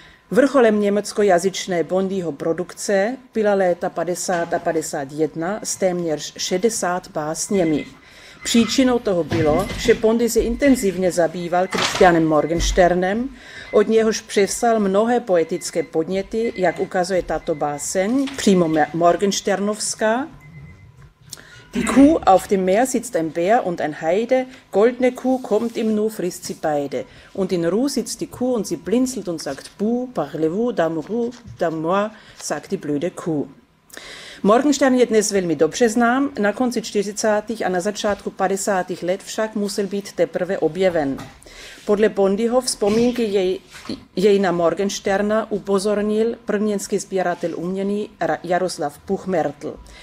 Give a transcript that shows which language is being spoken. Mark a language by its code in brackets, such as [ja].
[cs] Vrcholem německojazyčné Bondyho produkce byla léta 50 a 51 s téměř 60 básněmi. Příčinou toho bylo, že Bondy se intenzivně zabýval Christianem Morgensternem, od něhož převzal mnohé poetické podněty, jak ukazuje tato báseň, přímo Morgensternovská. [de] Die Kuh auf dem Meer sitzt ein Bär und ein Heide, goldne Kuh kommt ihm nur, frisst sie beide. Und in Ruhe sitzt die Kuh und sie blinzelt und sagt, buh, [fr] parlez-vous, d'amour, d'amour, [de] sagt die blöde Kuh. [cs] Morgenstern je dnes velmi dobře znám, na konci 40. a na začátku 50. let však musel být teprve objeven. Podle Bondyho vzpomínky jej na Morgensterna upozornil prvněnský sběratel umění Jaroslav Puchmertl.